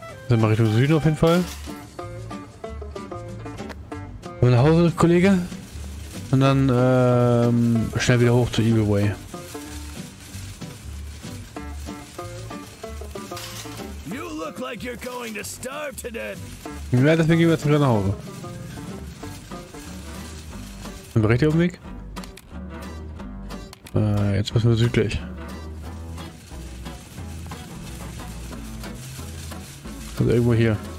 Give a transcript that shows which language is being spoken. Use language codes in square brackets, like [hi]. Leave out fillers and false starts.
[de] Auf jeden Fall. Nach Hause, Kollege. Und dann schnell wieder hoch zu Evil Way. [en] You look like you're going to starve to death. [de] Ja, deswegen gehen wir jetzt wieder nach Hause. Sind wir richtig auf dem Weg? Jetzt müssen wir südlich. Also irgendwo hier.